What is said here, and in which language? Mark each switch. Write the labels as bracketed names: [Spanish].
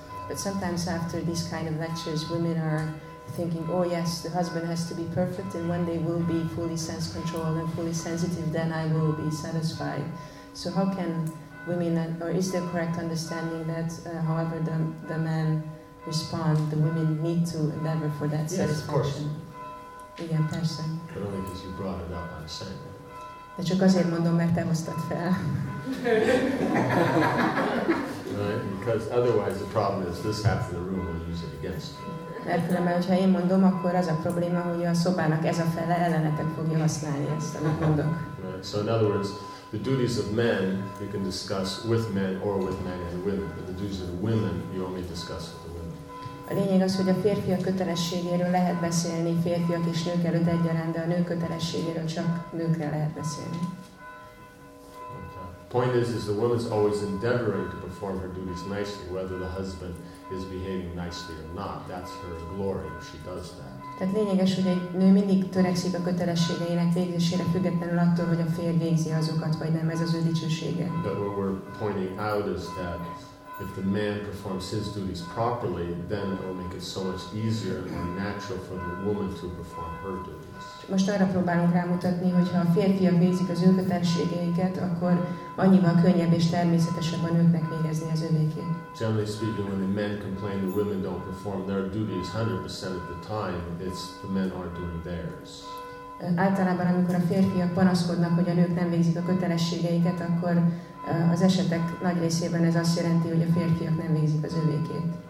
[English] But sometimes after these kind of lectures, women are thinking, oh yes, the husband has to be perfect, and when they will be fully sense controlled and fully sensitive, then I will be satisfied. So how can women, or is there correct understanding that however the men respond, the women need to endeavor for that satisfaction? Yes, of course. [Hungarian] Igen, persze. [English] But only because you brought it up, I'm saying. [Hungarian] De csak azért mondom, mert te hoztad fel. [English] Right? Because otherwise the problem is this half of the room will use it against you. [Hungarian] Mert különben, hogyha én mondom, akkor az a probléma, hogy a szobának ez a fele ellenetek fogja használni ezt, amit mondok. [English] Right. So in other words, the duties of men you can discuss with men or with men and women, but the duties of the women you only discuss with the women. [Hungarian] A lényeg az, hogy a férfiak kötelességéről lehet beszélni férfiak és nők előtt egyaránt, de a nők kötelességéről csak nőkre lehet beszélni. [English] Point is the woman's always endeavoring to perform her duties nicely, whether the husband is behaving nicely or not. That's her glory if she does that. [Hungarian] Tehát lényeges, hogy egy nő mindig törekszik a kötelességeinek végzésére, függetlenül attól, hogy a férj végzi azokat, vagy nem, ez az ő dicsősége. [English] But what we're pointing out is that if the man performs his duties properly, then it will make it so much easier and more natural for the woman to perform her duties. [Hungarian] Most arra próbálunk rámutatni, hogy ha a férfiak végzik az ő kötelességeiket, akkor annyival könnyebb és természetesebb a nőknek végezni az övékét. [English] Generally speaking, when the men complain the women don't perform their duties 100% of the time, it's the men aren't doing theirs. [Hungarian] Általában, amikor a férfiak panaszkodnak, hogy a nők nem végzik a kötelességeiket, akkor az esetek nagy részében ez azt jelenti, hogy a férfiak nem végzik az övékét.